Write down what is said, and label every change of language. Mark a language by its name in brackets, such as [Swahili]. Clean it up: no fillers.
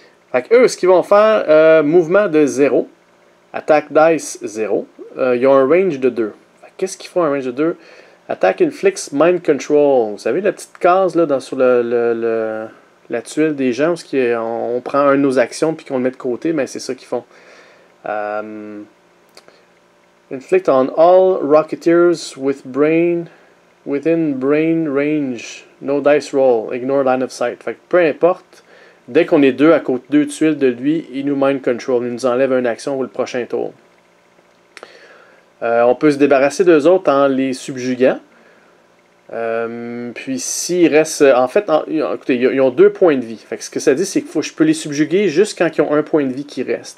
[French] Fait que eux, ce qu'ils vont faire, mouvement de 0. Attaque dice 0. Ils ont un range de 2. Fait que qu'est-ce qu'ils font un range de 2? [English] Attack inflicts mind control. [French] Vous savez la petite case là dans, sur la tuelle des gens où on prend une de nos actions puis qu'on le met de côté, mais ben, c'est ça qu'ils font. [English] Inflict on all rocketeers within brain range. No dice roll. Ignore line of sight. [French] Fait que peu importe. Dès qu'on est deux à côté deux tuiles de lui, il nous mind control. Il nous enlève une action pour le prochain tour. On peut se débarrasser d'eux autres en les subjuguant. Puis s'ils restent. En fait, écoutez, ils ont deux points de vie. Fait que ce que ça dit, c'est que je peux les subjuguer juste quand ils ont un point de vie qui reste.